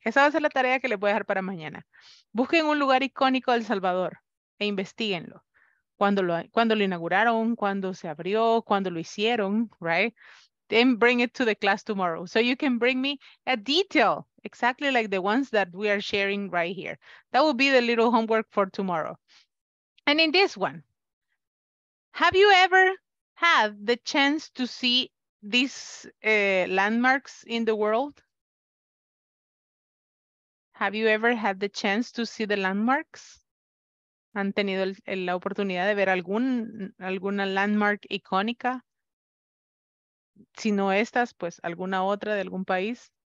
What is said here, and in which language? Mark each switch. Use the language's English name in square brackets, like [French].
[Spanish] Esa va a ser la tarea que les voy a dejar para mañana. Busquen un lugar icónico de El Salvador e investiguenlo. Cuando lo inauguraron, cuando se abrió, cuando lo hicieron, [English] right? Then bring it to the class tomorrow. So you can bring me a detail, exactly like the ones that we are sharing right here. That will be the little homework for tomorrow. And in this one, have you ever had the chance to see these landmarks in the world? Have you ever had the chance to see the landmarks? [Spanish] ¿Han tenido la oportunidad de ver alguna landmark icónica? Si no estas, pues alguna otra de algún país.